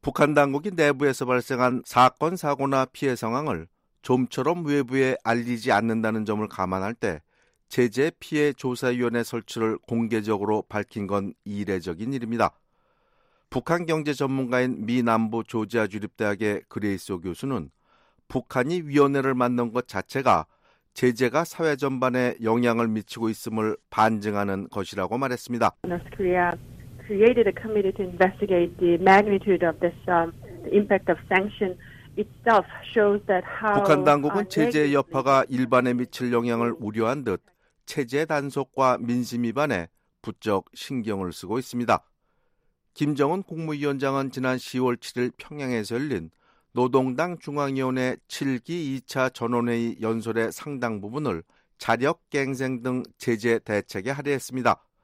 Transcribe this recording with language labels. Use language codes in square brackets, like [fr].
[ko] 북한 당국이 내부에서 발생한 사건, 사고나 피해 상황을 좀처럼 외부에 알리지 않는다는 점을 감안할 때 제재 피해 조사위원회 설치를 공개적으로 밝힌 건 이례적인 일입니다. 북한 경제 전문가인 미 남부 조지아 주립대학의 그레이스 교수는 북한이 위원회를 만든 것 자체가 제재가 사회 전반에 영향을 미치고 있음을 반증하는 것이라고 말했습니다. [en] North Korea created a committee to investigate the magnitude of this impact of sanction. Itself shows that how [ko] 북한 당국은 제재의 여파가 일반에 미칠 영향을 우려한 듯 체제 단속과 민심 위반에 부쩍 신경을 쓰고 있습니다. 김정은 국무위원장은 지난 10월 7일 평양에서 열린 노동당 중앙위원회 7기 2차 전원회의 연설의 상당 부분을 자력갱생 등 제재 대책에 할애했습니다.